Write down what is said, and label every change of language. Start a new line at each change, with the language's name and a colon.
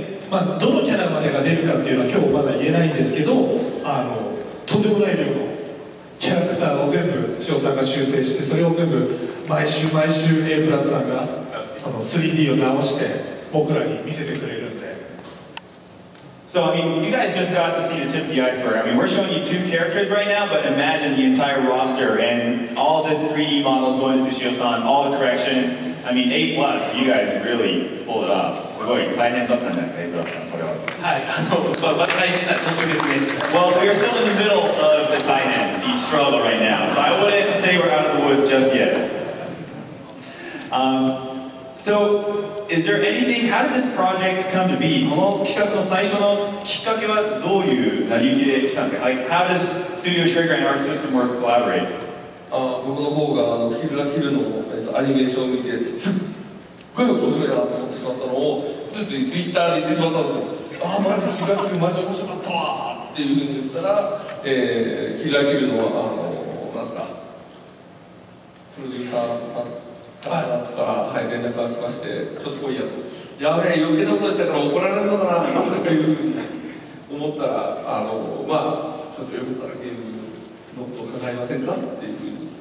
Japanese: まあ、どのキャラまでが出るかっていうのは今日まだ言えないんですけど、とんでもない量のキャラクターを全部スシオさんが修正して、それを全部毎週毎週 A プラスさんがその 3D を直して僕らに見せてくれるんで。
English: So I mean, you guys just got to see the tip of the iceberg. I mean, we're showing you two characters right now, but imagine the entire roster and all this 3D models going to Sushio-san, all the corrections. I mean, A+, you guys really pulled it off.
Japanese: すごい大変だったんですね、A+さん、これは。はい、まだ大変な途中ですね。
English: Well, we are still in the middle of the
Japanese: 大変、
English: the struggle right now. So I wouldn't say we're out of the woods just yet. So, is there anything, how did this project come to be?
Japanese: この企画の最初のきっかけはどういう成り行きで来たんですか？
English: Like, how does Studio Trigger and Arc System Works collaborate?
Japanese: 僕の方がキルラキルの、アニメーションを見てすっごい面白いなと思ってしまったのをついついツイッターで言ってしまったんですよ。ああマジキルラキルマジ面白かったわーっていうふうに言ったら、キルラキルの何ですかプロデューサーさんから、はい、連絡が来まして「ちょっと来いや」と「やべえ余計なこと言ったから怒られるのかな」とかいうふうに思ったらまあちょっとよかったらゲームのこと考えませんかっていうふうに。